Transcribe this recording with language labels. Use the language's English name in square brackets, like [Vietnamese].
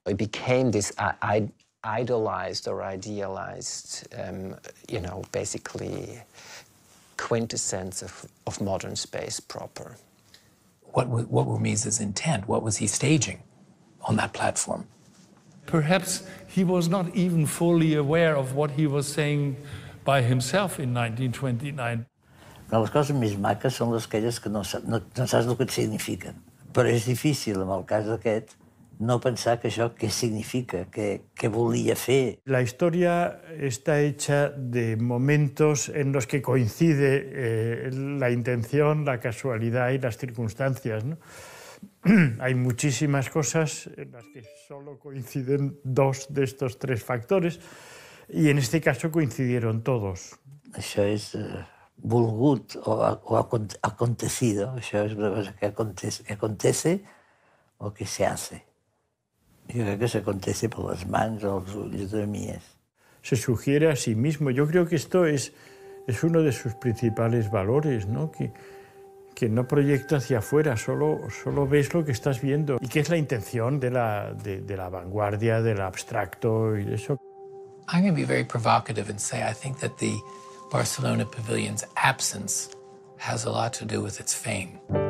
[English] It became this idolized or idealized, you know, basically quintessence of modern space proper. What were Mies's intent? What was he staging on that platform? Perhaps he was not even fully aware of what he was saying by himself in 1929. [Catalan] Les coses més maques són les aquelles que no saps el que signifiquen. Però és difícil, en el cas d'aquest, no pensar que això què significa, què volia fer. La història està [Spanish] hecha de momentos en los que coincide la intención, la casualidad y las circunstancias, ¿no? Hay muchísimas cosas en las que solo coinciden dos de estos tres factores y en este caso coincidieron todos. [Catalan] Això és volgut o acontecido. Això és una cosa que [Spanish] acontece o que se hace. Yo creo que se acontece por las manos o los ulls de Mies. Se sugiere a sí mismo. Yo creo que esto es uno de sus principales valores, ¿no? Que no proyecta hacia afuera, solo ves lo que estás viendo. ¿Y qué es la intención de la vanguardia, del abstracto y eso? [English] I'm going to be very provocative and say I think that the Barcelona Pavilion's absence has a lot to do with its fame.